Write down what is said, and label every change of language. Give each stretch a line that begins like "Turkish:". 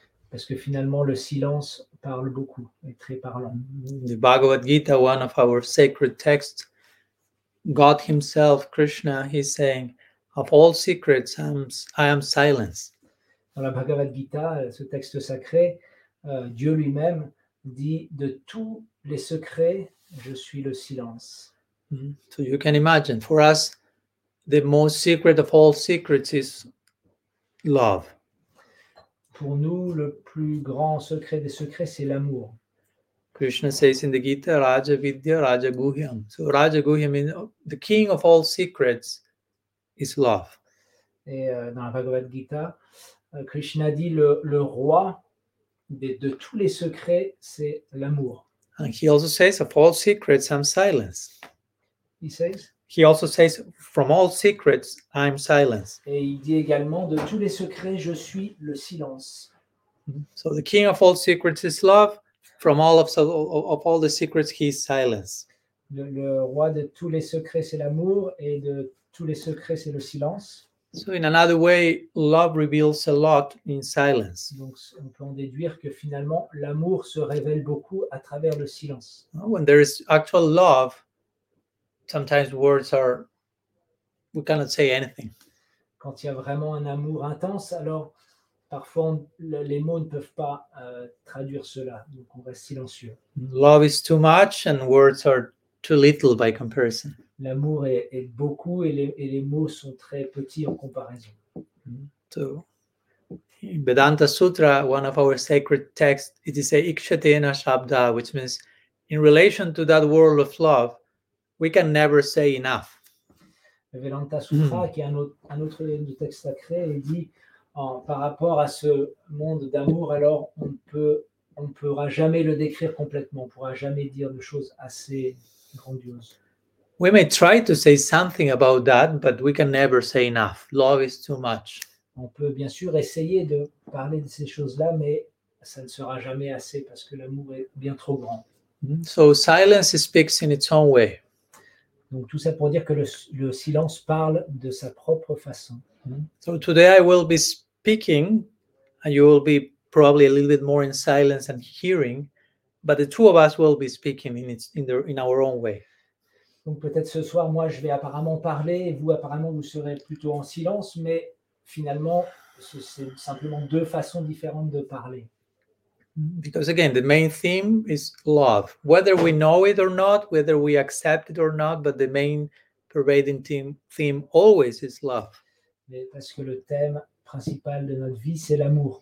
French: Parce que finalement, le silence parle beaucoup, est très parlant.
English: The Bhagavad Gita, one of our sacred texts, God himself, Krishna, he's saying, of all secrets, I am silence.
French: Dans la Bhagavad Gita, ce texte sacré, Dieu lui-même dit, de tous les secrets, je suis le silence.
English: So you can imagine, for us, the most secret of all secrets is love.
French: Pour nous, le plus grand secret des secrets, c'est l'amour.
English: Krishna says in the Gita,
Sanskrit: Raja Vidya, Raja Guhyam.
English: So Raja Guhyam, the king of all secrets, is love.
French: Et dans la Bhagavad Gita, Krishna dit, le roi de tous les secrets, c'est l'amour.
English: And he also says, of all secrets, I'm silence. He says? He also says, from all secrets, I'm silence.
French: Et il dit également, de tous les secrets, je suis le silence.
English: So the king of all secrets is love. From all of all the secrets, he is silence.
French: Le roi de tous les secrets, c'est l'amour, et de tous les secrets, c'est le silence.
English: So in another way, love reveals a lot in silence.
French: Donc on peut en déduire que finalement, l'amour se révèle beaucoup à travers le silence.
English: When there is actual love, sometimes words are, we cannot say anything.
French: Quand il y a vraiment un amour intense, alors parfois les mots ne peuvent pas traduire cela, donc on reste silencieux.
English: Love is too much and words are too little by comparison.
French: L'amour est beaucoup et les mots sont très petits en comparaison.
English: So, in Vedanta Sutra, one of our sacred texts, it is a
Sanskrit: ikshatena shabda,
English: which means in relation to that world of love, we can never say enough.
French: Le Vedanta Sutra, qui est un autre texte sacré, il dit, par rapport à ce monde d'amour, alors on ne pourra jamais le décrire complètement, on ne pourra jamais dire de choses assez grandioses.
English: We may try to say something about that, but we can never say enough. Love is too much.
French: On peut bien sûr essayer de parler de ces choses-là, mais ça ne sera jamais assez parce que l'amour est bien trop grand.
English: So silence speaks in its own way.
French: Donc tout ça pour dire que le silence parle de sa propre façon.
English: So today I will be speaking, and you will be probably a little bit more in silence and hearing, but the two of us will be speaking in our own way.
French: Donc peut-être ce soir, moi, je vais apparemment parler, et vous, apparemment, vous serez plutôt en silence, mais finalement, c'est simplement deux façons différentes de parler.
English: Because again, the main theme is love. Whether we know it or not, whether we accept it or not, but the main pervading theme always is love.
French: Mais parce que le thème principal de notre vie, c'est l'amour.